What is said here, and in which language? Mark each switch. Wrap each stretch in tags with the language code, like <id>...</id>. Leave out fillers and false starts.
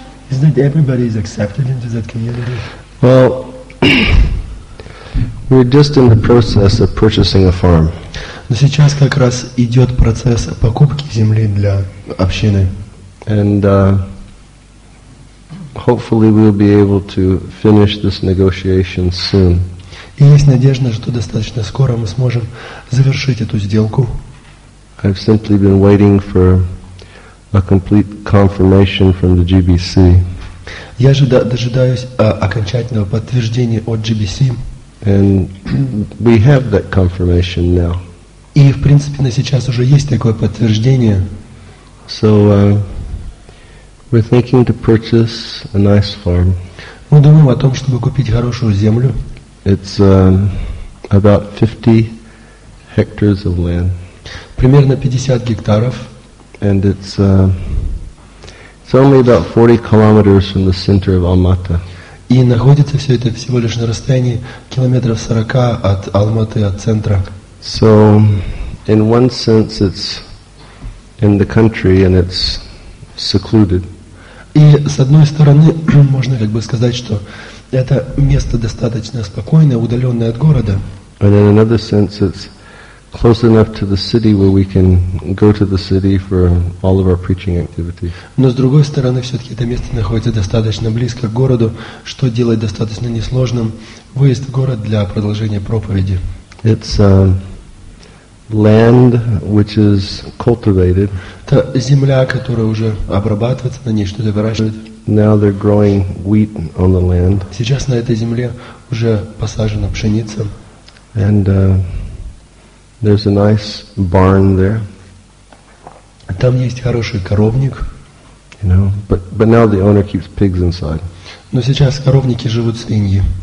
<en>Is that everybody is accepted into that community? Well, we're just in the process of purchasing a farm.</en> <ru>Но сейчас как раз идет процесс покупки земли для общины.</ru> <en>And hopefully we'll be able to finish this negotiation soon.</en> <ru>И есть надежда, что достаточно скоро мы сможем завершить эту сделку.</ru> <en>I've simply been waiting for a complete confirmation from the GBC.</en> <ru>Я же дожидаюсь окончательного подтверждения от GBC.</ru> <en>And we have that confirmation now.</en> <ru>И в принципе на сейчас уже есть такое подтверждение.</ru> <en>So we're thinking to purchase a nice farm.</en> <ru>Мы думаем о том, чтобы купить хорошую землю.</ru> <en>It's about 50 hectares of land.</en> <ru>Примерно 50 гектаров.</ru> <en>And it's only about 40 kilometers from the center of Алматы.</en> <ru>И находится все это всего лишь на расстоянии километров 40 от Алматы, от центра.</ru> <en>So, in one sense, it's in the country and it's secluded.</en> <ru>И с одной стороны, можно как бы сказать, что это место достаточно спокойное, удаленное от города.</ru> <en>And in another sense, it's close enough to the city where we can go to the city for all of our preaching activities.</en> <ru>Но с другой стороны, все-таки это место находится достаточно близко к городу, что делает достаточно несложным выезд в город для продолжения проповеди.</ru> <en>It's land which is cultivated.</en> <ru>Это земля, которая уже обрабатывается, на ней что-то выращивают.</ru> <en>Now they're growing wheat on the land.</en> <ru>Сейчас на этой земле уже посажена пшеница.</ru> <en>And there's a nice barn there.</en> <ru>Там есть хороший коровник.</ru> <en>You know, but now the owner keeps pigs inside.</en> <ru>Но сейчас в коровнике живут свиньи.</ru>